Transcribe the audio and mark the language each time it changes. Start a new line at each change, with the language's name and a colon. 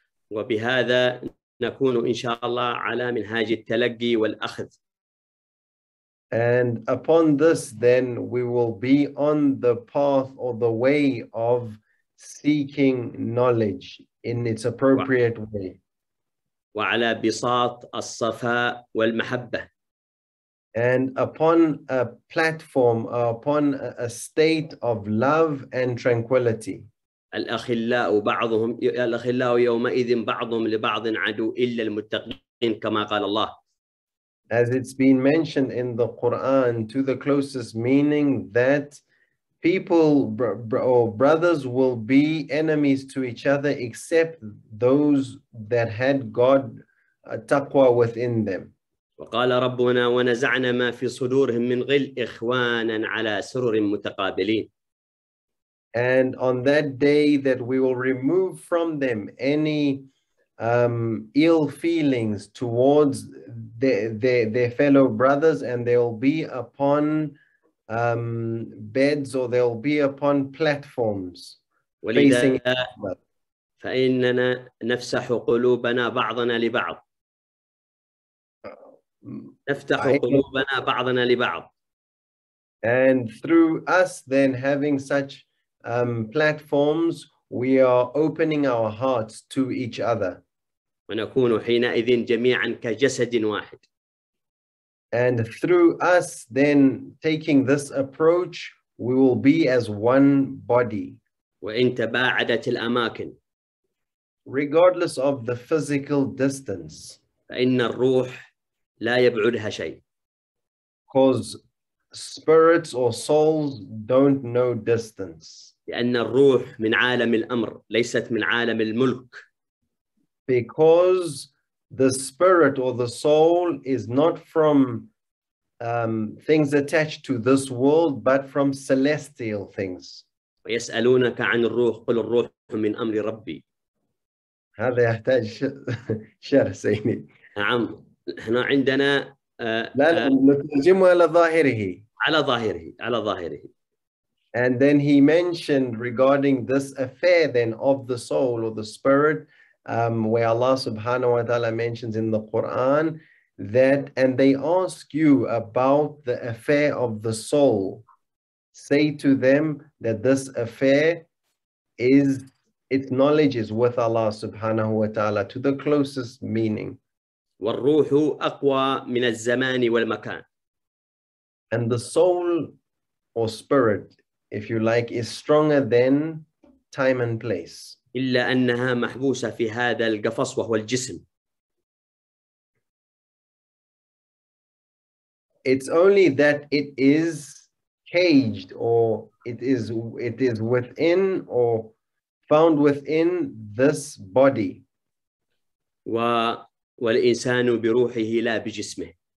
Arabic: وبهذا نكون إن شاء الله على منهاج التلقي والأخذ.
English: And upon this then we will be on the path or the way of seeking knowledge in its appropriate way.
Arabic: وعلى بساط الصفاء والمحبة.
English: And upon a platform, upon a state of love and tranquility.
Arabic: الأخلاء بعضهم الأخلاء يومئذ بعضهم لبعض عدو إلا المتقين كما قال الله.
English: As it's been mentioned in the Quran, to the closest meaning that people or brothers will be enemies to each other except those that had God taqwa within them.
Arabic: وقال ربنا ونزعنا ما في صدورهم من غل إخوانا على سرر متقابلين.
English: And on that day that we will remove from them any ill feelings towards their fellow brothers, and they will be upon beds, or they'll be upon platforms facing.
Arabic: فإننا نفسح قلوبنا بعضنا لبعض. نفتح قلوبنا بعضنا لبعض.
English: And through us then having such platforms, we are opening our hearts to each other.
Arabic: ونكون حينئذ جميعا كجسد واحد.
English: And through us then taking this approach, we will be as one body.
Arabic: وإن تباعدت الأماكن.
English: Regardless of the physical distance.
Arabic: فإن الروح لا يبعدها شيء.
English: Because spirits or souls don't know distance.
Arabic: لأن الروح من عالم الأمر ليست من عالم الملك.
English: Because the spirit or the soul is not from things attached to this world, but from celestial things.
Arabic: ويسألونك عن الروح قل الروح من أمر ربي. هذا يحتاج شرح سيدي. نعم، إحنا عندنا لا نترجمه على ظاهره. على ظاهره على ظاهره.
English: And then he mentioned regarding this affair then of the soul or the spirit, where Allah subhanahu wa ta'ala mentions in the Quran that, and they ask you about the affair of the soul, say to them that this affair is, its knowledge is with Allah subhanahu wa ta'ala, to the closest meaning.
Arabic: والروح أقوى من الزمان والمكان.
English: And the soul or spirit, if you like, is stronger than time and place.
Arabic: إلا أنها محبوسة في هذا القفص وهو الجسم.
English: It's only that it is caged, or it is within or found within this body.
Arabic: والإنسان بروحه لا بجسمه.